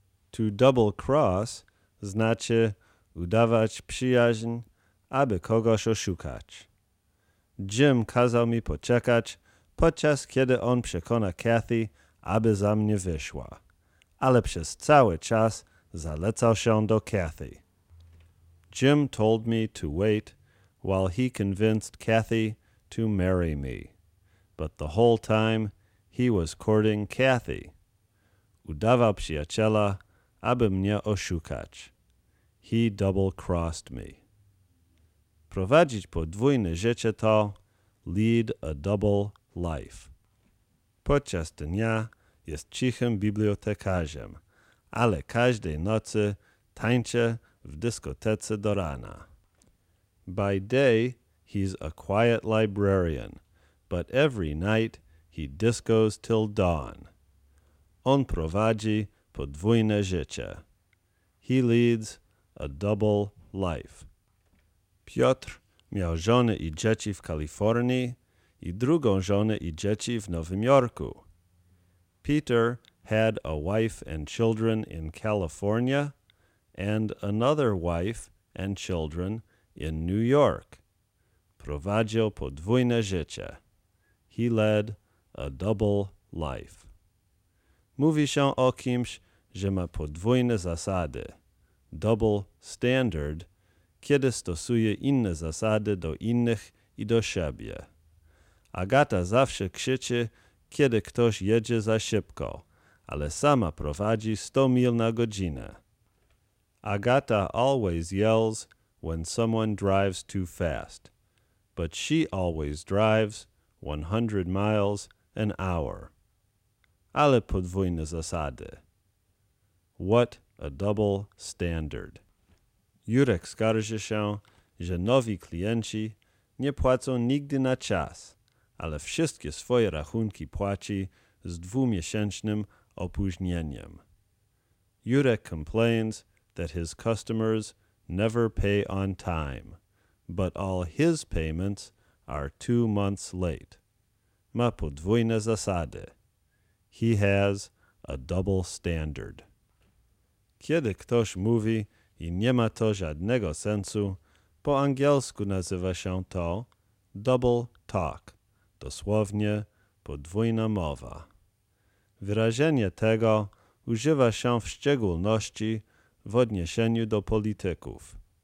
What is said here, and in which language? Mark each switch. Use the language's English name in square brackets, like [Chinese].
[Polish] To double cross znaczy udawać przyjaźń, aby kogoś oszukać. Jim kazał mi poczekać, podczas kiedy on przekona Kathy, aby za mnie wyszła. Ale przez cały czas zalecał się do Kathy. [English] Jim told me to wait while he convinced Kathy to marry me. But the whole time he was courting Kathy. [Polish] Udawał przyjaciela, aby mnie oszukać. [English] He double-crossed me. [Polish] Prowadzić podwójne życie to [English] lead a double life. [Polish] Podczas dnia jest cichym bibliotekarzem, ale każdej nocy tańczy w dyskotece do rana. [English] By day, he's a quiet librarian, but every night he discos till dawn. [Polish] On prowadzi podwójne życie. [English] He leads a double life. [Polish] Piotr miał żonę i dzieci w Kalifornii i drugą żonę i dzieci w Nowym Jorku. [English] Peter had a wife and children in California and another wife and children in New York. [Polish] Prowadził podwójne życie. [English] He led a double life. [Polish] Mówi się o kimś, że ma podwójne zasady, double standard, kiedy stosuje inne zasady do innych i do siebie. Agata zawsze krzyczy, kiedy ktoś jedzie za szybko, ale sama prowadzi 100 mil na godzinę. [English] Agata always yells when someone drives too fast, but she always drives 100 miles an hour. [Polish] Ale podwójne zasady. [English] What a double standard. [Polish] Jurek skarży się, że nowi klienci nie płacą nigdy na czas, ale wszystkie swoje rachunki płaci z dwumiesięcznym opóźnieniem. [English] Jurek complains that his customers never pay on time, but all his payments are 2 months late. [Polish] Ma podwójne zasady. [English] He has a double standard. [Polish] Kiedy ktoś mówi i nie ma to żadnego sensu, po angielsku nazywa się to double talk, dosłownie podwójna mowa. Wyrażenie tego używa się w szczególności w odniesieniu do polityków.